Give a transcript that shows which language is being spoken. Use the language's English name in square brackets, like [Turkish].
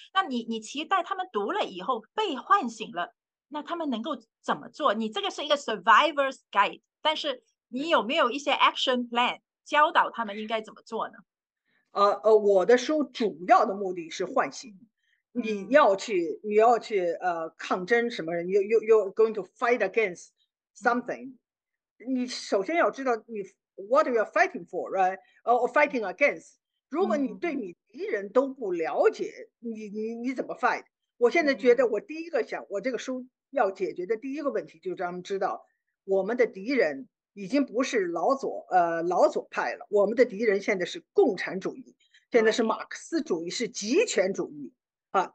[Chinese] 那你期待他们读了以后被唤醒了，那他们能够怎么做？你这个是一个 [English] survivor's guide， [Chinese] 但是你有没有一些 [English] action plan？ [Chinese] 教导他们应该怎么做呢？我的书主要的目的是唤醒，你要去抗争什么人 ？ [English] You are going to fight against something。 [Chinese] 你首先要知道你 [English] what you are fighting for， right？ Or fighting against。 [Chinese] 如果你对你敌人都不了解，你怎么 fight？我现在觉得我第一个想，我这个书要解决的第一个问题就是让他们知道我们的敌人。已经不是老左派了，我们的敌人现在是共产主义，现在是马克思主义，是极权主义啊！